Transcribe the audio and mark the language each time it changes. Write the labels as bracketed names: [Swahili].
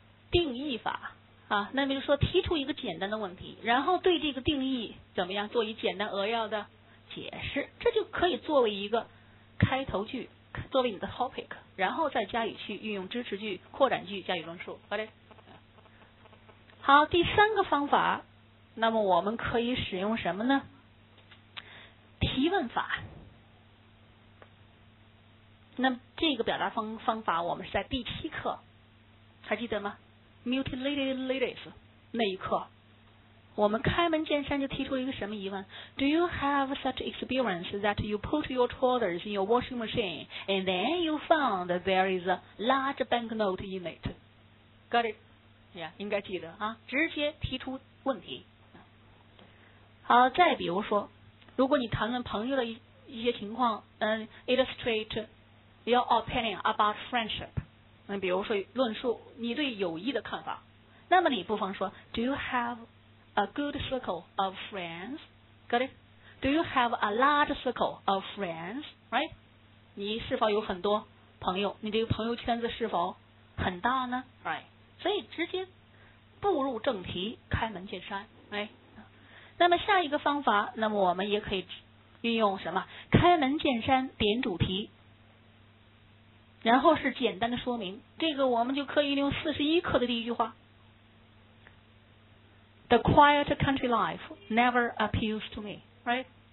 [Chinese] 定义法啊，那比如说提出一个简单的问题，然后对这个定义怎么样做一简单扼要的解释，这就可以作为一个开头句，作为你的 topic， 然后再加以去运用支持句、扩展句加以论述。好的。好，第三个方法，那么我们可以使用什么呢？提问法。那这个表达方法我们是在第七课，还记得吗？ [English] Mutilated ladies [Chinese] 那一刻我们开门见山就提出了一个什么疑问 [English] Do you have such experience that you put your trousers in your washing machine and then you found there is a large banknote in it? Got it? Yeah, [Chinese] 应该记得啊，直接提出问题。好，再比如说如果你谈论朋友的一些情况， [English] illustrate your opinion about friendship， [Chinese] 那比如说论述你对友谊的看法，那么你不妨说 [English] Do you have a good circle of friends? Got it? Do you have a large circle of friends? Right? [Chinese] 你是否有很多朋友？你这个朋友圈子是否很大呢？ [English] Right? [Chinese] 所以直接步入正题，开门见山。 [English] Right? [Chinese] 那么下一个方法，那么我们也可以运用什么？开门见山，点主题，然后是简单的说明，这个我们就可以用41课的第一句话 [English] The quiet country life never appeals to me, right?